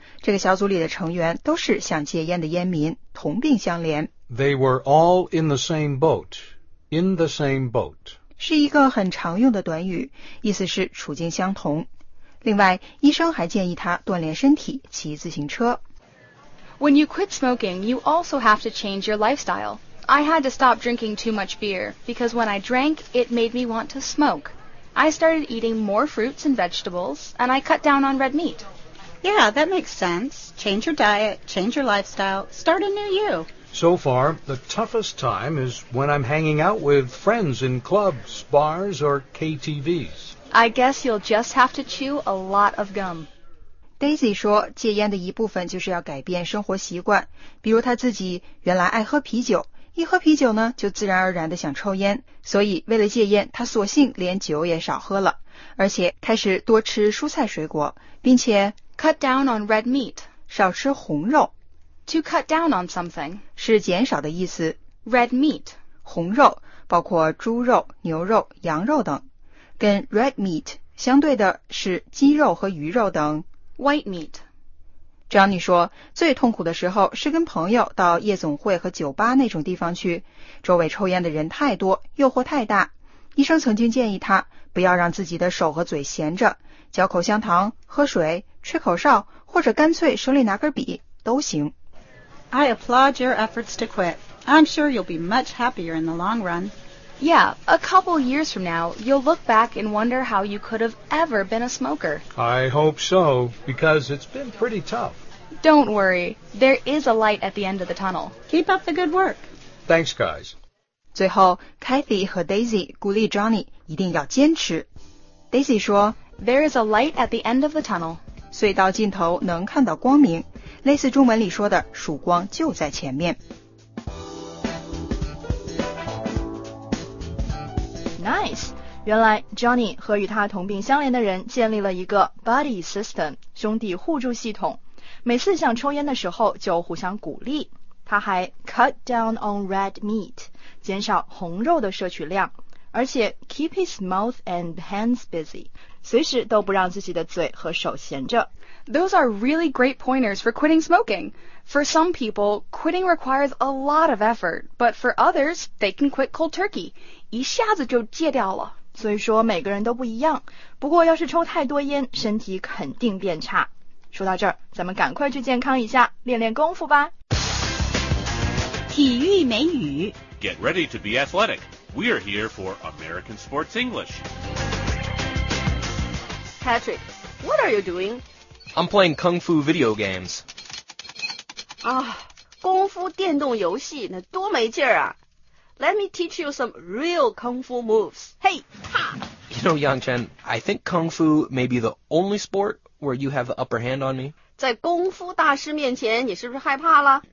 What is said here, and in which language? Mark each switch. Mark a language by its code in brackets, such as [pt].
[zh] 这个小组里的成员都是想戒烟的烟民，同病相怜。 [en] They were all in the same boat. In the same boat. [zh] 是一个很常用的短语，意思是处境相同。另外，医生还建议他锻炼身体，骑自行车。 [en] When you quit smoking, you also have to change your lifestyle. I had to stop drinking too much beer, because when I drank, it made me want to smoke. I started eating more fruits and vegetables, and I cut down on red meat. Yeah, that makes sense. Change your diet, change your lifestyle, start a new you. So far, the toughest time is when I'm hanging out with friends in clubs, bars, or KTVs. I guess you'll just have to chew a lot of gum. [zh] Daisy 说，戒烟的一部分就是要改变生活习惯，比如她自己原来爱喝啤酒，一喝啤酒呢，就自然而然地想抽烟，所以为了戒烟，她索性连酒也少喝了，而且开始多吃蔬菜水果，并且 [en] cut down on red meat， [zh] 少吃红肉。 [en] To cut down on something [zh] 是减少的意思。 [en] Red meat [zh] 红肉，包括猪肉、牛肉、羊肉等。跟 red meat 相对的是鸡肉和鱼肉等。 [en] White meat。 [zh] Johnny 说，最痛苦的时候是跟朋友到夜总会和酒吧那种地方去，周围抽烟的人太多，诱惑太大。医生曾经建议他不要让自己的手和嘴闲着，嚼口香糖、喝水、吹口哨，或者干脆手里拿根笔都行。 [en] I applaud your efforts to quit. I'm sure you'll be much happier in the long run. Yeah, a couple years from now, you'll look back and wonder how you could have ever been a smoker. I hope so, because it's been pretty tough. Don't worry, there is a light at the end of the tunnel. Keep up the good work. Thanks, guys. [zh] 最后 ,Kathy 和 Daisy 鼓励 Johnny 一定要坚持。Daisy 说 [en] ,There is a light at the end of the tunnel. [zh] 隧道尽头能看到光明。类似中文里说的曙光就在前面。 Nice! 原来 Johnny 和与他同病相怜的人建立了一个 buddy system, 兄弟互助系统。每次想抽烟的时候就互相鼓励。他还 [en] cut down on red meat, [zh] 减少红肉的摄取量。而且 [en] keep his mouth and hands busy, [zh] 随时都不让自己的嘴和手闲着。 [en] Those are really great pointers for quitting smoking. For some people, quitting requires a lot of effort, but for others, they can quit cold turkey. [zh] 一下子就戒掉了。所以说每个人都不一样。不过要是抽太多烟，身体肯定变差。说到这儿，咱们赶快去健康一下，练练功夫吧。体育美语。 [en] Get ready to be athletic. We are here for American Sports English. Patrick, what are you doing? I'm playing Kung Fu video games. [zh] Ah, 功夫电动游戏那多没劲啊。 [en] Let me teach you some real Kung Fu moves. Hey, ha! You know, Yangchen, I think Kung Fu may be the only sport where you have the upper hand on me. [zh] 在功夫大师面前你是不是害怕了?